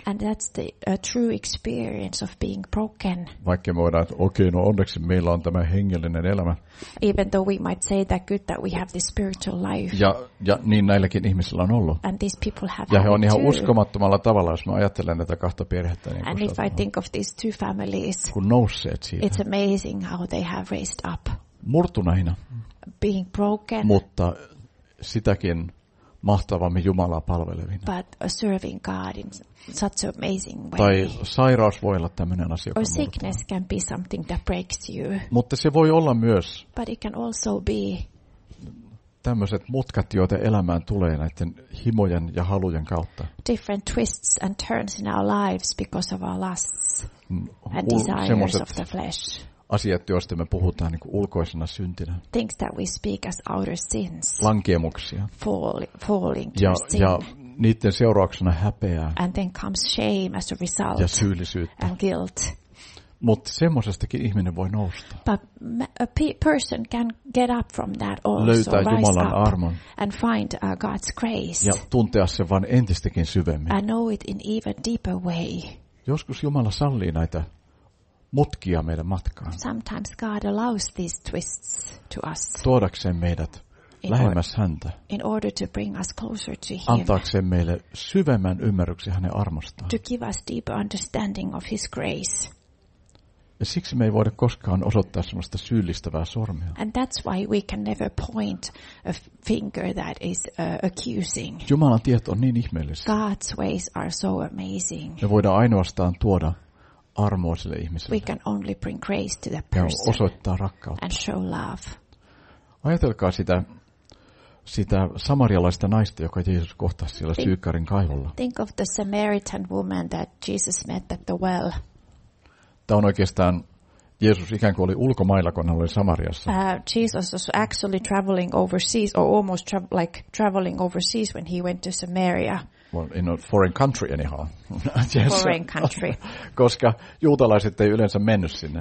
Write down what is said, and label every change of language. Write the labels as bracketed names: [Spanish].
[English] And that's the true experience of being broken. [Finnish] Vaikka me voidaan, okei, no onneksi meillä on tämä hengellinen elämä. [English] Even though we might say that good that we have this spiritual life. [Finnish] Ja niin näilläkin ihmisillä on ollut. [English] And these people have. [Finnish] Ja he on ihan uskomattomalla tavalla, jos mä ajattelen näitä kahta perhettä. Niin [English] and if I think of these two families. [Finnish] Kun nousseet siitä. [English] It's amazing how they have raised up. [Finnish] Murtuneina, [English] being broken, [Finnish] mutta sitäkin mahtavammin Jumalaa palvelevina. [English] But serving God in such an amazing way. [Finnish] Tai sairaus voi olla tämmöinen asia, joka murtuu. [English] Or sickness can be something that breaks you. [Finnish] Mutta se voi olla myös. [English] But it can also be. [Finnish] Tämmöiset mutkat, joita elämään tulee näiden himojen ja halujen kautta. [English] Different twists and turns in our lives because of our lusts and desires of the flesh. [Finnish] Asiat, joista me puhutaan niin kuin ulkoisena syntinä. [English] Things that we speak as outer sins. [Finnish] Lankiemuksia. [English] Falling to [Finnish] ja, [English] sin. [Finnish] Ja niiden seurauksena häpeää. [English] And then comes shame as a result. [Finnish] Ja syyllisyyttä. [English] And guilt. [Finnish] Mutta semmoisestakin ihminen voi nousta. [English] But a person can get up from that also. [Finnish] Löytää Jumalan armon. [English] And find God's grace. [Finnish] Ja tuntea sen vaan entistäkin syvemmin. [English] And know it in even deeper way. [Finnish] Joskus Jumala sallii näitä mutkia meidän matkaan. [English] Sometimes God allows these twists to us. [Finnish] Tuodakseen meidät lähemmäs häntä. [English] In order to bring us closer to him. [Finnish] Antaakseen meille syvemmän ymmärryksen hänen armostaan. [English] To give us deeper understanding of his grace. [Finnish] Ja siksi me ei voida koskaan osoittaa semmoista syyllistävää sormia. [English] And that's why we can never point a finger that is accusing. [Finnish] Jumalan tiet on niin ihmeellisiä. [English] God's ways are so amazing. [Finnish] Me voidaan ainoastaan tuoda armoa sille ihmiselle. [English] We can only bring grace to that person. [Finnish] Ja osoittaa rakkautta. [English] And show love. [Finnish] Ajatelkaa sitä samarialaista naista, joka Jeesus kohtasi siellä syykkärin kaivolla. [English] Think of the Samaritan woman that Jesus met at the well. [Finnish] Tämä on oikeastaan Jeesus ikään kuin oli ulkomailla, kun hän oli Samariassa. [English] Jesus was actually traveling overseas or almost traveling overseas when he went to Samaria. Well, in a foreign country anyhow. Yes. Foreign country. [Finnish] Koska juutalaiset ei yleensä mennyt sinne.